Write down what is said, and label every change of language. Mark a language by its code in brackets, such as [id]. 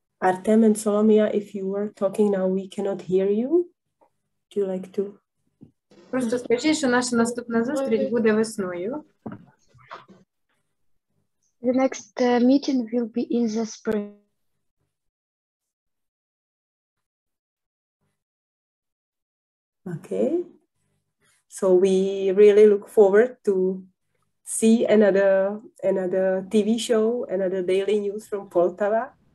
[en] Artem and Solomia, if you were talking now, we cannot hear you. Do you like to? [uk] Просто скажіть, що наша наступна зустріч буде весною. [en] The next meeting will be in the spring. Okay. So we really look forward to see another TV show, another daily news from Poltava.